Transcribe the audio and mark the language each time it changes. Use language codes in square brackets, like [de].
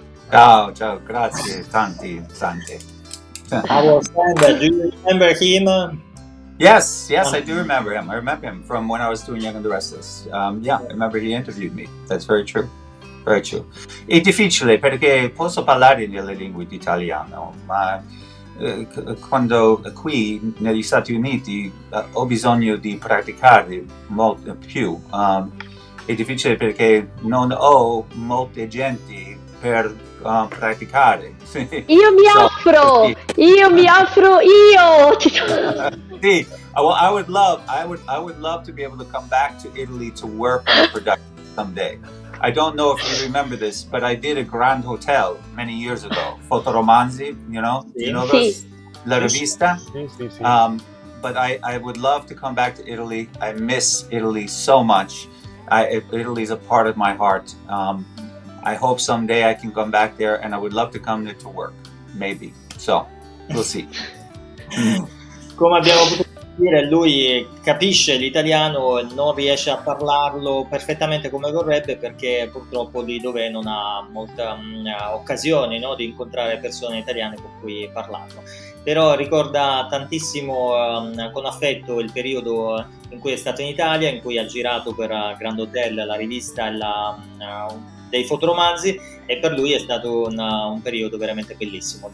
[it] Ciao, ciao, grazie, tanti. [en] I will stand. Do you remember him? Yes, I do remember him. I remember him from when I was doing Young and the Restless. Yeah, I remember he interviewed me. That's very true. [it] perciò. È difficile perché posso parlare nelle lingue d'italiano, ma quando qui negli Stati Uniti ho bisogno di praticare molto più. È difficile perché non ho molte gente per praticare. Io mi offro! Io mi offro io! [en] Sì, I would love to be able to come back to Italy to work on a production someday. I don't know if you remember this, but I did a Grand Hotel many years ago. Fotoromanzi, you know? [it] Sì. [en] You know those? [it] Sì. La Rivista? Sì, sì, sì. [en] But I would love to come back to Italy. I miss Italy so much. Italy is a part of my heart. I hope someday I can come back there, and I would love to come there to work, maybe. So, we'll see. [it] Come abbiamo potuto dire, lui capisce l'italiano, non riesce a parlarlo perfettamente come vorrebbe, perché purtroppo lì dove non ha molta occasione, no, di incontrare persone italiane con cui parlarlo. Però ricorda tantissimo con affetto il periodo in cui è stato in Italia, in cui ha girato per Grand Hotel, la Rivista e dei fotoromanzi, e per lui è stato un periodo veramente bellissimo.